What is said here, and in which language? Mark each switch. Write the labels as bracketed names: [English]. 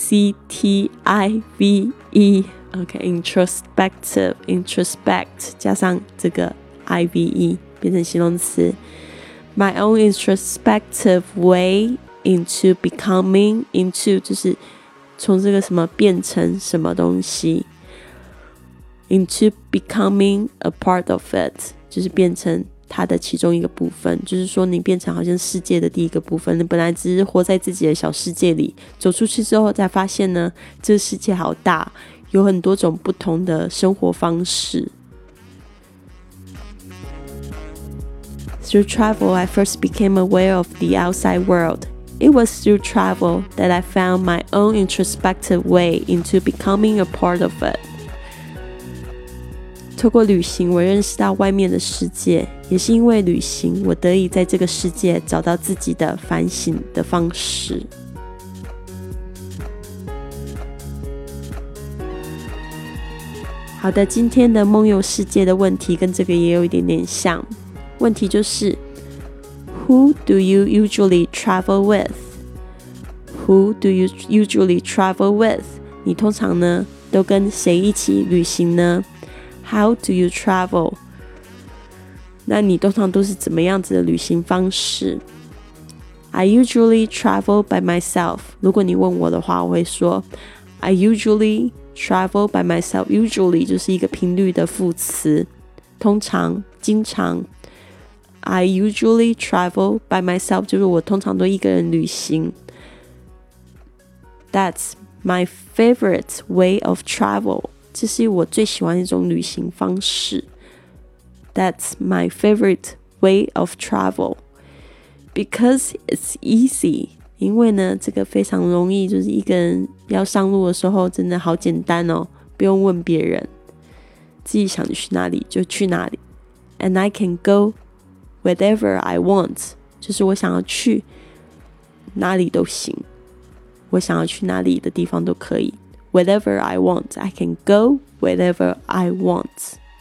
[English] introspective, OK, introspective, introspect [Chinese] 加上这个 ive 变成形容词。 [English] My own introspective way into becoming, [Chinese] into 就是从这个什么变成什么东西， [English] into becoming a part of it [Chinese] 就是变成它的其中一个部分，就是说你变成好像世界的第一个部分，你本来只是活在自己的小世界里，走出去之后才发现呢，这个世界好大，有很多种不同的生活方式。 [English] Through travel, I first became aware of the outside world. It was through travel that I found my own introspective way into becoming a part of it. [Chinese] 透过旅行，我认识到外面的世界，也是因为旅行，我得以在这个世界找到自己的反省的方式。好的，今天的梦游世界的问题跟这个也有一点点像，问题就是 [English] Who do you usually travel with? Who do you usually travel with? [Chinese] 你通常呢都跟谁一起旅行呢？ [English] How do you travel? [Chinese] 那你通常都是怎么样子的旅行方式？ [English] I usually travel by myself. [Chinese] 如果你问我的话，我会说 [English] I usually travel by myself. [Chinese] Usually 就是一个频率的副词，通常、经常。 [English] I usually travel by myself. [Chinese] 就是我通常都一个人旅行。 [English] That's my favorite way of travel. [Chinese] 这是我最喜欢一种旅行方式。 [English] That's my favorite way of travel. Because it's easy. [Chinese] 因为呢这个非常容易，就是一个人要上路的时候真的好简单哦，不用问别人，自己想去哪里就去哪里。 [English] And I can go wherever I want. [Chinese] 就是我想要去哪里都行，我想要去哪里的地方都可以。 [English] Wherever I want, I can go wherever I want.